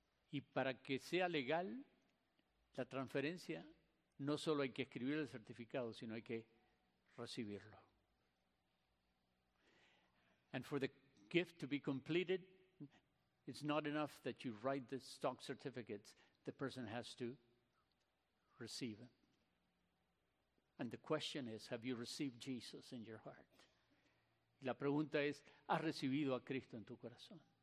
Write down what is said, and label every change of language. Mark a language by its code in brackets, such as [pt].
[es] Y para que sea legal la transferencia, no solo hay que escribir el certificado, sino hay que recibirlo. [en] And for the gift to be completed, it's not enough that you write the stock certificates. The person has to receive it. And the question is, have you received Jesus in your heart? [es] La pregunta es, ¿has recibido a Cristo en tu corazón?